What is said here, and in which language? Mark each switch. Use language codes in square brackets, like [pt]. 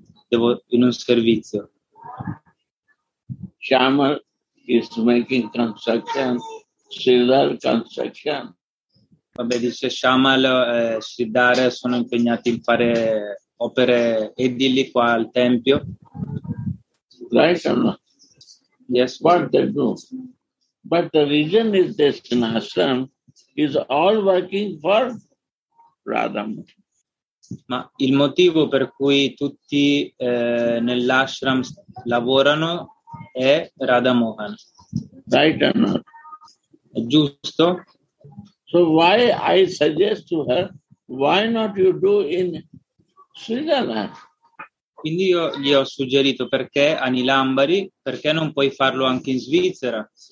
[en] Shamal is making construction, Siddhar construction. [it] Vabbè, dice Shamal e Siddhar sono impegnati in fare opere edili qua al tempio. [en] Right or not? Yes. What they do. But the reason is this, in Ashram is all working for Radham. [it] Ma il motivo per cui tutti nell'ashram lavorano è Radha Mohan. [en] Right or not? [it] È giusto? [en] So why I suggest to her, why not you do in Switzerland? [it] Quindi io gli ho suggerito perché a Nilambari, perché non puoi farlo anche in Svizzera?